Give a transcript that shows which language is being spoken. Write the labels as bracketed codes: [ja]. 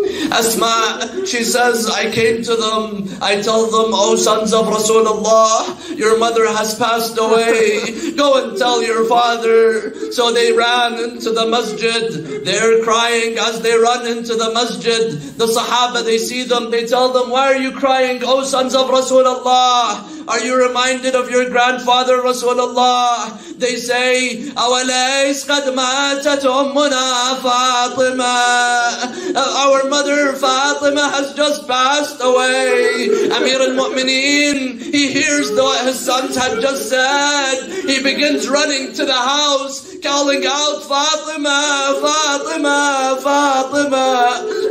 [en] Asma, she says, I came to them, I told them, O sons of Rasulullah, your mother has passed away, go and tell your father. So they ran into the masjid, they're crying as they run into the masjid. The Sahaba, they see them, they tell them, why are you crying, O sons of Rasulullah? Are you reminded of your grandfather, Rasulullah? They say, [ar] أَوَلَيْسْ قَدْ مَاتَتْ أُمُّنَا فَاطِمَا. [en] Our mother Fatima has just passed away. Amir al-Mu'mineen, he hears what his sons had just said. He begins running to the house, calling out, Fatima, Fatima, Fatima.